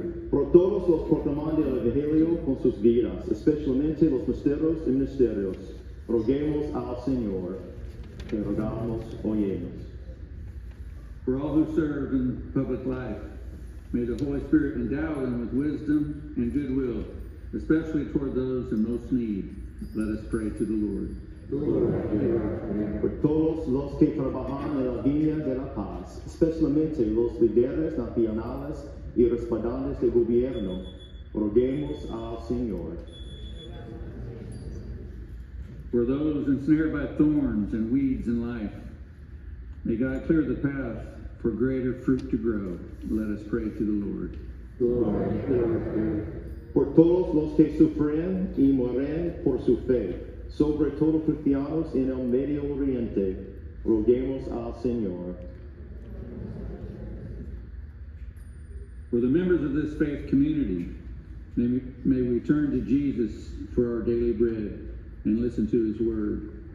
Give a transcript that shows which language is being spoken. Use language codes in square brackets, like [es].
[es] Por todos los proclamantes del Evangelio con sus vidas, especialmente los misterios y ministerios, roguemos al Señor, que rogamos, oyemos. [en] For all who serve in public life, may the Holy Spirit endow them with wisdom and goodwill, especially toward those in most need. Let us pray to the Lord. [es] Por todos los que trabajan en la Viña de la Paz, especialmente los líderes nacionales y respaldantes del gobierno, roguemos al Señor. [en] For those ensnared by thorns and weeds in life, may God clear the path for greater fruit to grow. Let us pray to the Lord. [es] Por todos los que sufren y mueren por su fe, sobre todo cristianos en el Medio Oriente, roguemos al Señor. [en] For the members of this faith community, may we turn to Jesus for our daily bread and listen to his word.